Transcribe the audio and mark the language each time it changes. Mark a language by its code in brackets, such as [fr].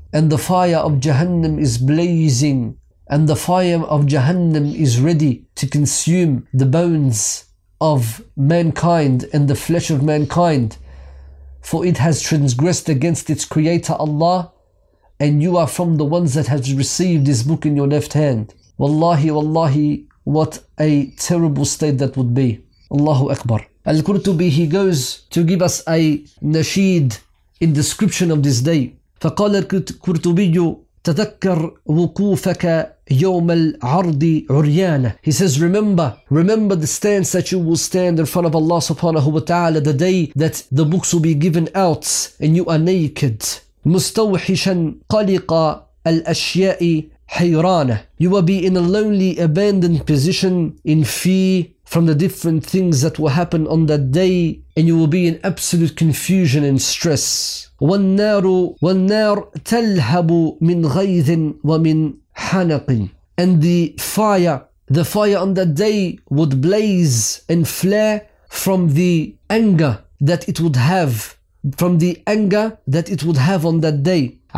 [en] And the fire of Jahannam is blazing, and the fire of Jahannam is ready to consume the bones of mankind and the flesh of mankind, for it has transgressed against its creator Allah, and you are from the ones that has received this book in your left hand. Wallahi, wallahi, what a terrible state that would be. Allahu Akbar. Al-Qurtubi, he goes to give us a nasheed in description of this day. [ar] فقال الكرتبي تذكر وقوفك يوم العرض عريانا. [en] He says, remember the stance that you will stand in front of Allah subhanahu wa ta'ala the day that the books will be given out and you are naked. [ar] مستوحشا قلق الأشياء حيرانا. [en] You will be in a lonely, abandoned position in fear from the different things that will happen on that day, and you will be in absolute confusion and stress. [ar] والنار تلهب من غيث ومن حنق. [en] And the fire on that day would blaze and flare from the anger that it would have, from the anger that it would have on that day.